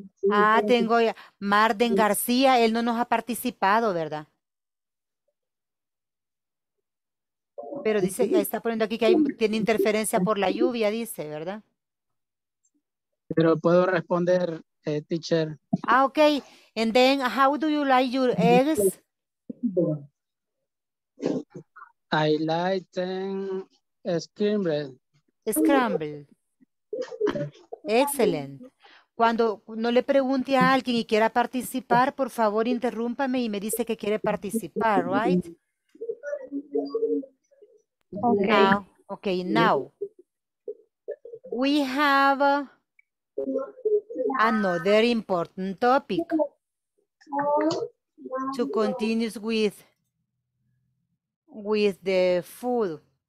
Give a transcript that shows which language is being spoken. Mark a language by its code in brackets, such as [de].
[es] Ah, tengo ya Marden García, él no nos ha participado, ¿verdad? Pero dice, está poniendo aquí que tiene interferencia por la lluvia, dice, ¿verdad? Pero puedo responder, teacher. [en] Ah, ok. And then, how do you like your eggs? I like them scrambled. Scrambled. Excellent. [es] Cuando no le pregunte a alguien y quiera participar, por favor, interrúmpame y me dice que quiere participar, right? [en] Okay. Now, we have another important topic to continue with the food.